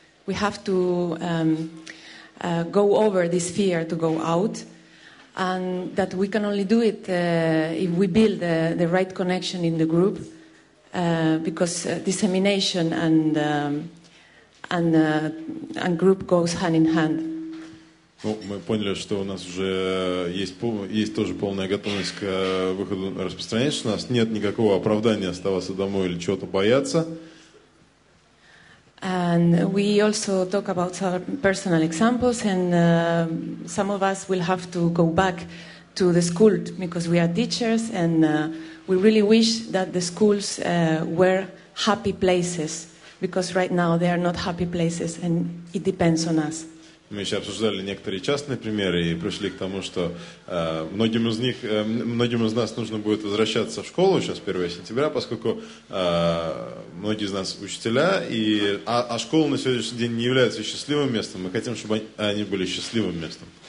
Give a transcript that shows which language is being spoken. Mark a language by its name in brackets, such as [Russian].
[English] We have to go over this fear to go out, and that we can only do it if we build the right connection in the group, because dissemination and group goes hand in hand. [Russian] Ну, мы поняли, что у нас уже есть тоже полная готовность к выходу распространения, что у нас нет никакого оправдания оставаться домой или чего-то бояться. [English] And we also talk about our personal examples, and some of us will have to go back to the school because we are teachers, and we really wish that the schools were happy places, because right now they are not happy places, and it depends on us. [Russian] Мы еще обсуждали некоторые частные примеры и пришли к тому, что многим из нас нужно будет возвращаться в школу сейчас 1 сентября, поскольку многие из нас учителя, а школа на сегодняшний день не является счастливым местом. Мы хотим, чтобы они были счастливым местом.